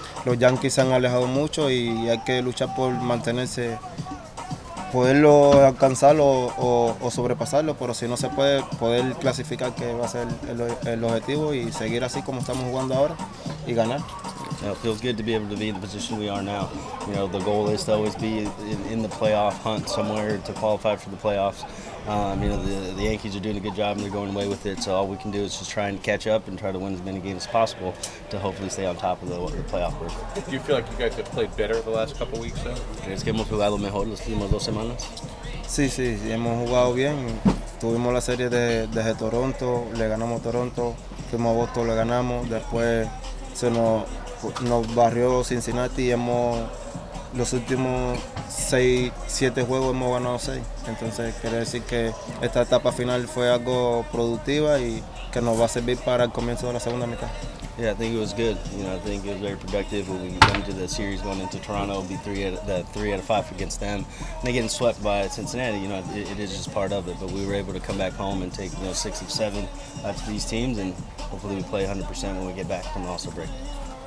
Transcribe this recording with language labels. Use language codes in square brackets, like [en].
[es] Los Yankees se han alejado mucho y hay que luchar por mantenerse, poderlo alcanzar o sobrepasarlo, pero si no se puede, poder clasificar, que va a ser el objetivo, y seguir así como estamos jugando ahora y ganar. [en] It feels good to be able to be in the position we are now. You know, the goal is to always be in the playoff hunt somewhere to qualify for the playoffs. You know, the Yankees are doing a good job and they're going away with it, so all we can do is just try and catch up and try to win as many games as possible to hopefully stay on top of the playoff group. Do you feel like you guys have played better the last couple weeks, though? [es] ¿Crees que hemos jugado mejor las últimas dos semanas? Sí, sí, hemos jugado bien. Tuvimos la serie desde Toronto, le ganamos Toronto, fuimos a Boston, le ganamos, después se nos barrió Cincinnati y los últimos 6-7 juegos hemos ganado 6. Entonces quiere decir que esta etapa final fue algo productiva y que nos va a servir para el comienzo de la segunda mitad. [en] Yeah, I think it was good. You know, I think it was very productive when we came to the series going into Toronto, be three out of five against them. And then getting swept by Cincinnati, you know, it is just part of it. But we were able to come back home and take, you know, 6 of 7 out to these teams, and hopefully we play 100% when we get back from the All-Star break.